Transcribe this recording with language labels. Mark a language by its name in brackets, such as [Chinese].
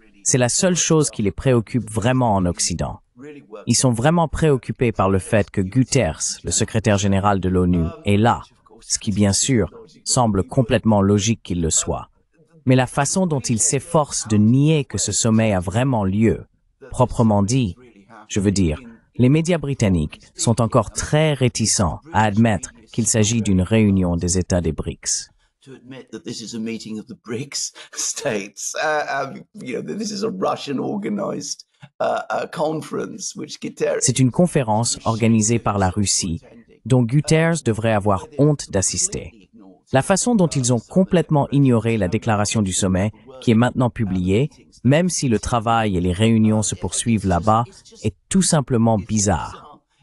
[French] C'est la seule chose qui les préoccupe vraiment en Occident. Ils sont vraiment préoccupés par le fait que Guterres, le secrétaire général de l'ONU, est là, ce qui, bien sûr, semble complètement logique qu'il le soit. Mais la façon dont ils s'efforcent de nier que ce sommet a vraiment lieu, proprement dit, je veux dire, les médias britanniques sont encore très réticents à admettre qu'il s'agit d'une réunion des États des BRICS. [English] To admit that this is a meeting of the BRICS states, that this is a Russian organized conference which Guterres. [French] C'est une conférence organisée par la Russie dont Guterres devrait avoir honte d'assister. La façon dont ils ont complètement ignoré la déclaration du sommet, qui est maintenant publiée, même si le travail et les réunions se poursuivent là-bas, est tout simplement bizarre.